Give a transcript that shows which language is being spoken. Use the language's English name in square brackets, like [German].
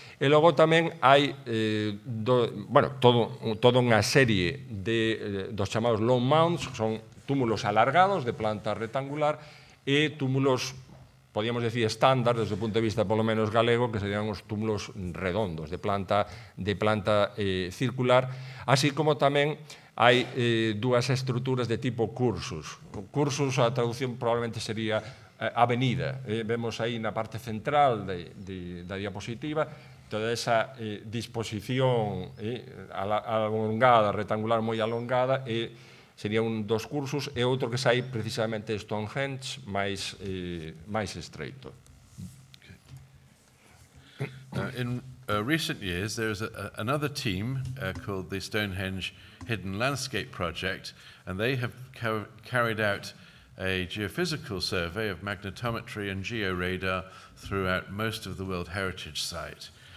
[Galician] E logo tamén hai toda unha serie dos chamados Long Mounds, que son túmulos alargados de planta retangular e túmulos, podíamos decir, estándar, desde o punto de vista polo menos galego, que serían os túmulos redondos de planta circular, así como tamén hai dúas estruturas de tipo cursus. Cursus, a traducción probablemente sería avenida. Vemos aí na parte central da diapositiva toda esa disposición alongada, retangular moi alongada, e sería un dos cursos, e outro que sai precisamente Stonehenge, máis estreito. [English] In recent years, there is another team called the Stonehenge Hidden Landscape Project, and they have carried out a geophysical survey of magnetometry and georadar throughout most of the World Heritage Site.